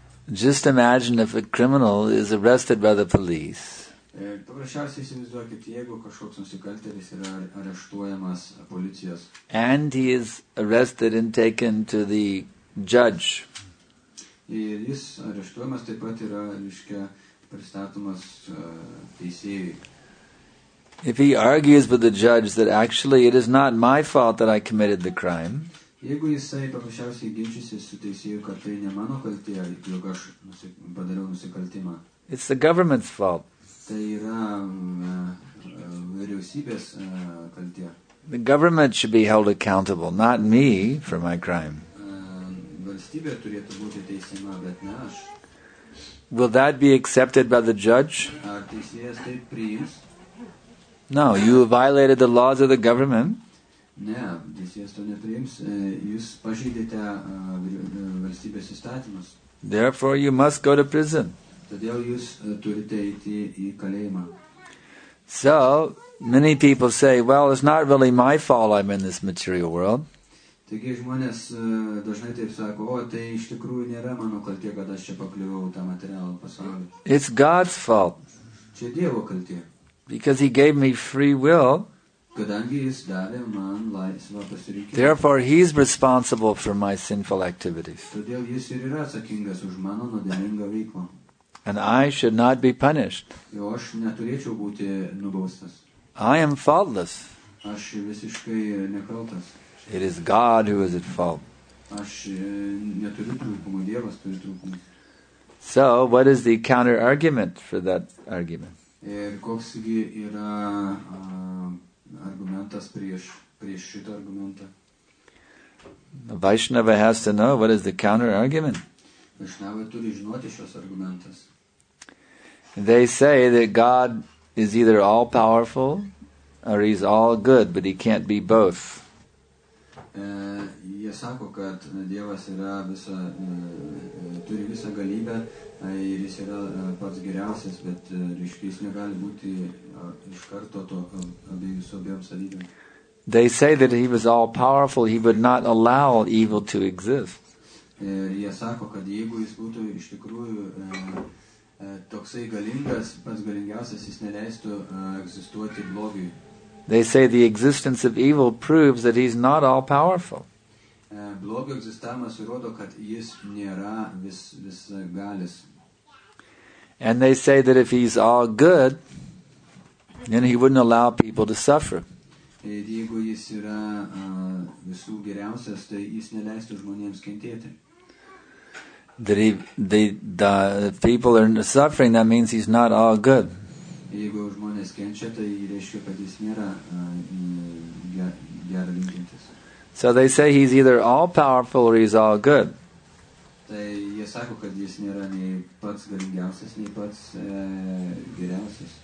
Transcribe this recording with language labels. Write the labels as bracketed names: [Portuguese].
[English] Just imagine if a criminal is arrested by the police. [Lithuanian] Paprasčiausiai įsivaizduokit, jeigu kažkoks nusikaltėlis yra areštuojamas policijos. [English] And he is arrested and taken to the judge. [Lithuanian] Ir jis areštuojamas taip pat yra, reiškia, pristatomas teisėjui. [English] If he argues with the judge that actually it is not my fault that I committed the crime. [Lithuanian] Jeigu jisai paprasčiausiai ginčiasi su teisėju, kad tai ne mano kaltė, jog aš padariau nusikaltimą. [English] It's the government's fault. [Lithuanian] Tai yra vyriausybės kaltė. [English] The government should be held accountable, not me, for my crime. [Lithuanian] Valstybė turėtų būti teisima, bet ne aš. [English] Will that be accepted by the judge? [Lithuanian] Ar teisėjas tai priims? [English] No, you violated the laws of the government. [Lithuanian] Ne, teisėjas to nepriims. Jūs pažeidėte valstybės įstatymus. [English] Therefore, you must go to prison. [Lithuanian] Todėl jūs turite eiti į kalėjimą. [English] So, many people say, well, it's not really my fault I'm in this material world. [Lithuanian] Taigi žmonės dažnai taip sako, o tai iš tikrųjų nėra mano kaltė, kad aš čia pakliuvau tą materialų pasaulį. [English] It's God's fault. [Lithuanian] Čia Dievo kaltė. [English] Because he gave me free will. [Lithuanian] Kadangi jis davė man laisvą pasirinkimą. [English] Therefore, he's responsible for my sinful activities. [Lithuanian] Todėl jis ir yra atsakingas už mano nuodėmingą veiklą. [English] And I should not be punished. [Lithuanian] Jo, aš neturėčiau būti nubaustas. [English] I am faultless. [Lithuanian] Aš visiškai nekaltas. [English] It is God who is at fault. [Lithuanian] Aš neturiu trūkumų, Dievas turi trūkumų. [English] So, what is the counter argument for that argument? [Lithuanian] Ir koksgi yra argumentas prieš šitą argumentą? [English] The Vaishnava has to know what is the counter argument. [Lithuanian] Vaishnava turi žinoti šios argumentas. [English] They say that God is either all powerful or he's all good, but he can't be both. [Lithuanian] Jie sako, kad Dievas yra visa, turi visą galybę ir jis yra pats geriausias, bet jis negali būti iš karto to abiejus abiems savybėms. [English] They say that he was all powerful, he would not allow evil to exist. [Lithuanian] Jie sako, kad jeigu jis būtų iš tikrųjų toksai galingas, pats galingiausias, jis neleistų egzistuoti blogiui. [English] They say the existence of evil proves that he's not all powerful. [Lithuanian] Blogio egzistavimas įrodo, kad jis nėra visagalis. [English] And they say that if he's all good, then he wouldn't allow people to suffer. [Lithuanian] Ir jeigu jis yra visų geriausias, tai jis neleistų žmonėms kentėti. [English] That the people are suffering, that means he's not all good. [Lithuanian] Jeigu žmonės kenčia, tai reiškia, kad jis nėra gerą linkintis. [English] So they say he's either all powerful or he's all good. [Lithuanian] Tai jie sako, kad jis nėra nei pats galingiausias, nei pats geriausias.